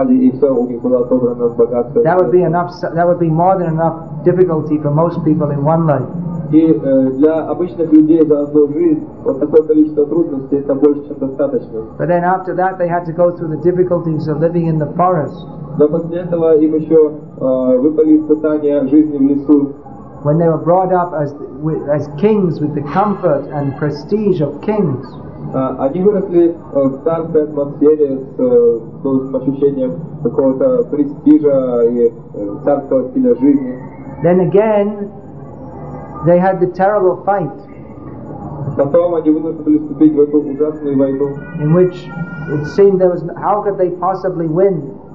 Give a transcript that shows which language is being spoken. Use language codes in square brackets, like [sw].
[en] That would be more than enough difficulty for most people in one life. [ru] И для обычных людей за одну жизнь вот такое количество трудностей это больше чем достаточно. [en] But then after that they had to go through the difficulties of living in the forest. [ru] Но после этого им еще выпали испытания жизни в лесу. [en] When they were brought up as kings with the comfort and prestige of kings. [ru] Они выросли в царской атмосфере с ощущением какого-то престижа и царского стиля жизни. [en] Then again. They had the terrible fight in which it seemed there was how could they possibly win?